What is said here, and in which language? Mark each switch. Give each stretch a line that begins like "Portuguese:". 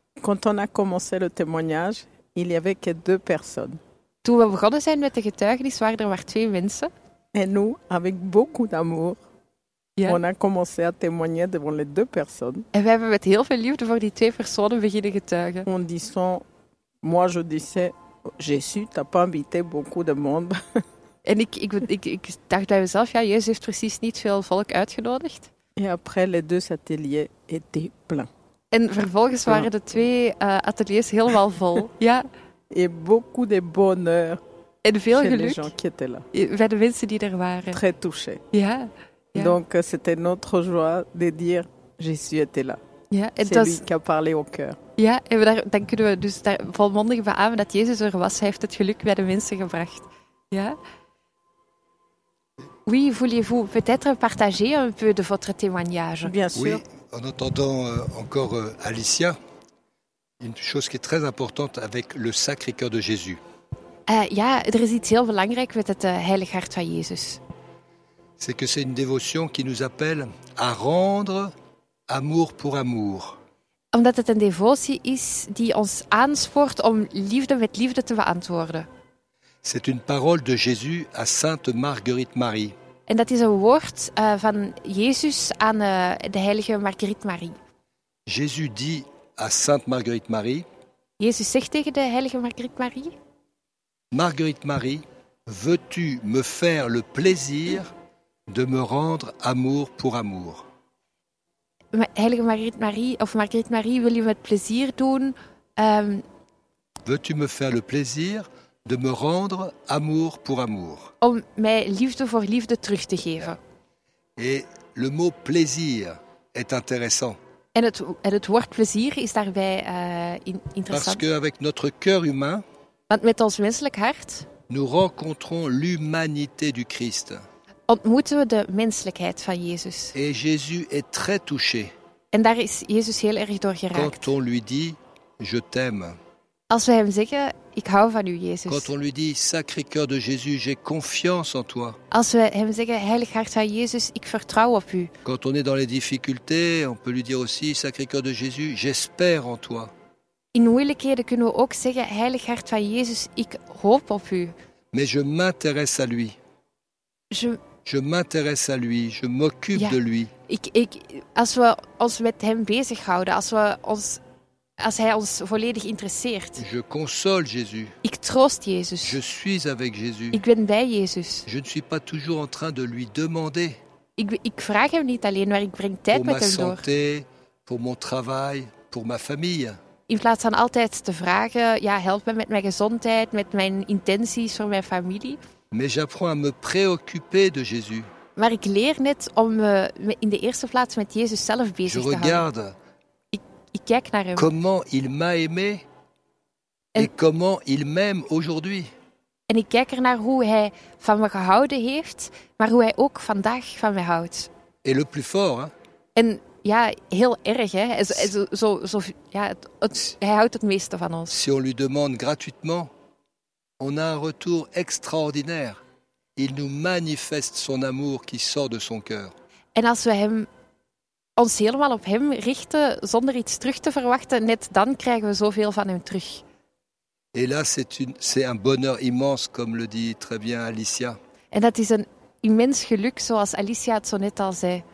French: Quand on a commencé le témoignage, il y avait que deux personnes.
Dutch: Toen we begonnen zijn met de getuigenis, waren er maar twee mensen.
French: En nous, avec beaucoup d'amour, ja. On a commencé à témoigner devant les deux personnes.
Dutch: En we hebben met heel veel liefde voor die twee personen beginnen getuigen.
French: En disant, moi je disais... Jésus, t'as pas invité beaucoup de monde.
Dutch: En ik dacht bij mezelf, ja, Jezus heeft precies niet veel volk uitgenodigd.
French: Et après, les deux ateliers étaient pleins.
Dutch: En vervolgens waren de twee ateliers helemaal vol. Ja.
French: Et beaucoup de bonheur.
Dutch: En veel geluk.
French: Les gens qui étaient là.
Dutch: Bij de mensen die er waren.
French: Très touché.
Dutch: Ja.
French: Donc, c'était notre joie de dire, Jésus était là.
Dutch: Ja,
French: en c'est lui qui a parlé au cœur.
Dutch: Ja, en dan kunnen we dus daar volmondig beamen dat Jezus er was. Hij heeft het geluk bij de mensen gebracht. Ja.
French: Oui, voulez-vous peut-être partager un peu de votre témoignage? Bien sûr. Oui, en entendant encore Alicia, une chose qui est très importante avec le Sacré-Cœur de Jésus.
Dutch: Ja, er is iets heel belangrijk met het Heilig Hart van Jezus.
French: C'est que c'est une dévotion qui nous appelle à rendre amour pour amour.
Dutch: Omdat het een devotie is die ons aanspoort om liefde met liefde te beantwoorden.
French: C'est une parole de Jésus à Sainte Marguerite Marie.
Dutch: En dat is een woord van Jezus aan de heilige Marguerite Marie.
French: Jésus dit à Sainte Marguerite Marie.
Dutch: Jezus zegt tegen de heilige Marguerite Marie.
French: Marguerite Marie, veux-tu me faire le plaisir de me rendre amour pour amour?
Dutch: Heilige Marguerite Marie, of Marguerite Marie, wil je me het plezier doen?
French: Veux-tu me faire le plaisir de me rendre amour pour amour.
Dutch: Om mij liefde voor liefde terug te geven.
French: Et le mot plaisir est intéressant.
Dutch: En het woord plezier is daarbij interessant.
French: Parce que avec notre cœur humain,
Dutch: want met ons menselijk hart,
French: nous rencontrons l'humanité du Christ.
Dutch: Ontmoeten we de menselijkheid van Jezus.
French: Et Jésus est très touché.
Dutch: En daar is Jezus heel erg door geraakt.
French: Quand on lui dit je t'aime.
Dutch: Als we hem zeggen, ik hou van u, Jezus.
French: Quand on lui dit, Sacré-Cœur de Jésus, j'ai confiance en toi.
Dutch: Als we hem zeggen, Heilig Hart van Jezus, ik vertrouw op u.
French: Quand on est dans les difficultés, on peut lui dire aussi, Sacré-Cœur de Jésus, j'espère en toi.
Dutch: In moeilijkheden kunnen we ook zeggen, Heilig Hart van Jezus, ik hoop op u.
French: Mais je m'intéresse à lui. Je m'intéresse à lui, je m'occupe de lui.
Dutch: Als we ons met hem bezighouden, als hij ons volledig interesseert.
French: Je console Jésus.
Dutch: Ik troost Jezus.
French: Je suis avec Jésus.
Dutch: Ik ben bij Jezus.
French: Je ne suis pas toujours en train de lui demander.
Dutch: Ik vraag hem niet alleen, maar ik breng tijd met hem
French: santé,
Dutch: door.
French: Pour mon travail, pour ma famille.
Dutch: In plaats van altijd te vragen, ja, help me met mijn gezondheid, met mijn intenties voor mijn familie.
French: Mais j'apprends à me préoccuper de Jésus.
Dutch: Maar ik leer net om in de eerste plaats met Jezus zelf bezig
French: je
Dutch: te houden. Ik kijk naar hem.
French: Comment il m'a aimé et comment il m'aime aujourd'hui.
Dutch: En ik kijk er naar hoe hij van me gehouden heeft, maar hoe hij ook vandaag van me houdt.
French: Et le plus fort, hein?
Dutch: En ja, heel erg, hè? Hij houdt het meeste van ons.
French: Si on lui demande gratuitement, on a un retour extraordinaire. Il nous manifeste son amour qui sort de son cœur.
Dutch: En als we hem ons helemaal op hem richten, zonder iets terug te verwachten. Net dan krijgen we zoveel van hem terug.
French: Et là, c'est un bonheur immense, comme le dit très bien Alicia.
Dutch: En dat is een immens geluk, zoals Alicia het zo net al zei.